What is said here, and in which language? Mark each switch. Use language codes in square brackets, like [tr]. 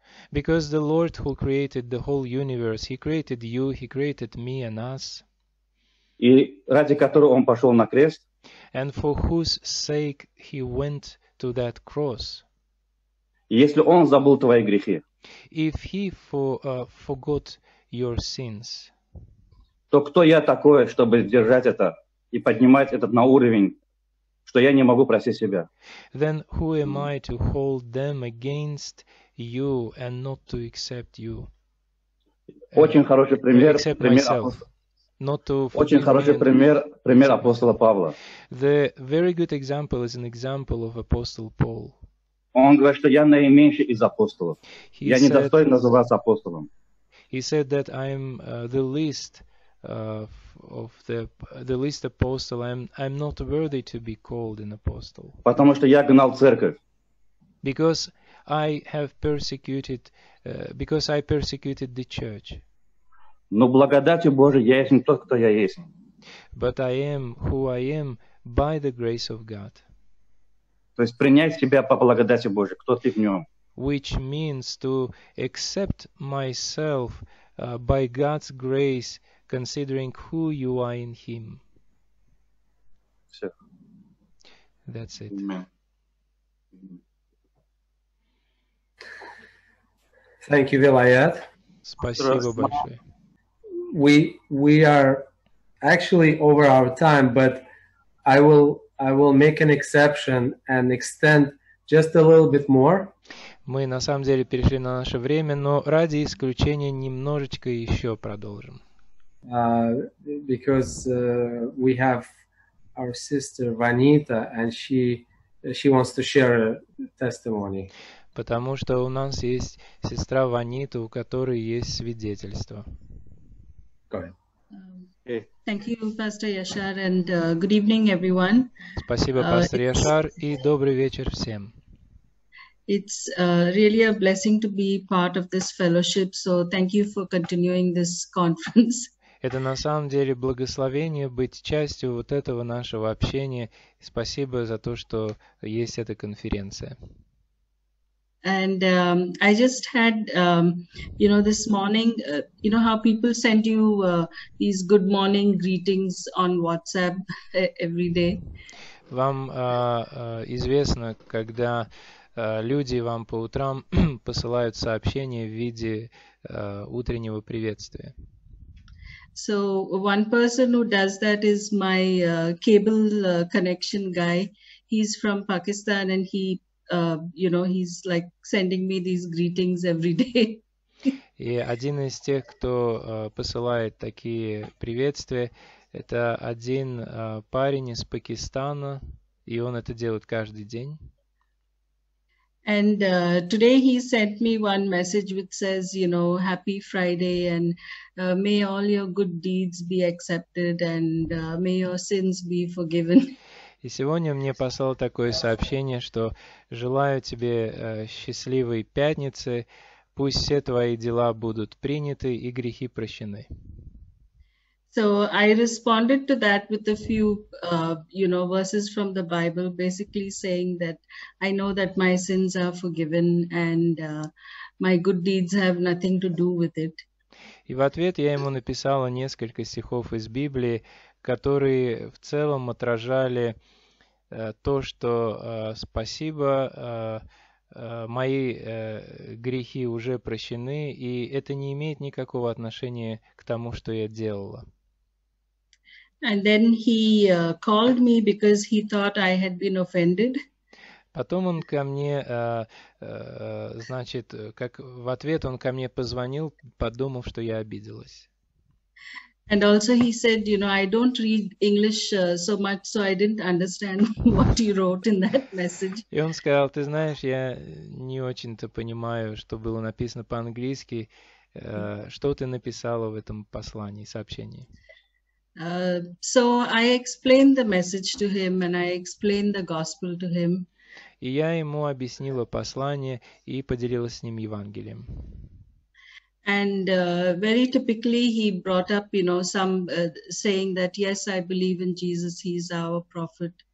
[en] because the Lord who created the whole universe, He created you, He created me and us. [ru] И ради которого Он пошел на крест. [en] And for whose sake He went to that cross. [ru] Если Он забыл твои грехи. [en] If He forgot your sins. [ru] То кто я такой, чтобы держать это и поднимать этот на уровень, что я не могу простить себя? [en] Then who am I to hold them against you and not to accept you. [ru] Очень хороший пример, очень хороший пример, пример апостола Павла. [en] The very good example is an example of Apostle Paul. [ru] Он говорит, что я наименьший из апостолов. Я не достоин называться апостолом. [en] He said that I'm the least of the least apostle. I'm not worthy to be called an apostle. [ru] Потому что я гнал церковь. [en] Because I have persecuted, because I persecuted the church. [ru] Но благодатью Божией я есть не тот, кто я есть. [en] But I am who I am by the grace of God. [ru] То есть принять себя по благодати Божией, кто ты в нем. [en] Which means to accept myself by God's grace, considering who you are in Him. [ru] Все. [en] That's it. Amen. Thank you, Vilayat. [ru] Спасибо большое. [en] We are actually over our time, but I will make an exception and extend just a little bit more. [ru] Мы на самом деле перешли на наше время, но ради исключения немножечко еще продолжим. [en] Because we have our sister Vanita, and she wants to share a testimony. [ru] Потому что у нас есть сестра Ванита, у которой есть свидетельство. [en] Thank you, Pastor Yashar, and good evening, everyone. [ru] Спасибо, пастор Яшар, и добрый вечер всем. [en] It's really a blessing to be part of this fellowship, so thank you for continuing this conference. [ru] Это на самом деле благословение быть частью вот этого нашего общения. Спасибо за то, что есть эта конференция. [en] And I just had, you know, this morning, you know how people send you these good morning greetings on WhatsApp every day? [ru] Вам известно, когда люди вам по утрам посылают сообщения в виде утреннего приветствия? [en] So one person who does that is my cable connection guy. He's from Pakistan and he... you know, he's like sending me these greetings every day. [ru] И один из тех, кто посылает такие приветствия, это один парень из Пакистана, и он это делает каждый день. [en] And today he sent me one message which says, you know, happy Friday and may all your good deeds be accepted and may your sins be forgiven. [ru] И сегодня мне послало такое сообщение, что желаю тебе счастливой пятницы, пусть все твои дела будут приняты и грехи прощены. [en] So I responded to that with a few, you know, verses from the Bible, basically saying that I know that my sins are forgiven and my good deeds have nothing to do with it. [ru] И в ответ я ему написала несколько стихов из Библии, которые в целом отражали то, что спасибо, мои грехи уже прощены, и это не имеет никакого отношения к тому, что я делала. [en] And then he called me because he thought I had been offended. [ru] Потом он ко мне, значит, как в ответ он ко мне позвонил, подумав, что я обиделась. [en] And also he said, you know, I don't read English so much, so I didn't understand what you wrote in that message. [ru] И он сказал, ты знаешь, я не очень-то понимаю, что было написано по-английски, что ты написала в этом послании, сообщении. [en] So I explained the message to him and I explained the gospel to him. [ru] И я ему объяснила послание и поделилась с ним Евангелием. [en] And very typically he brought up, you know, some saying that yes, I believe in Jesus, he is our prophet.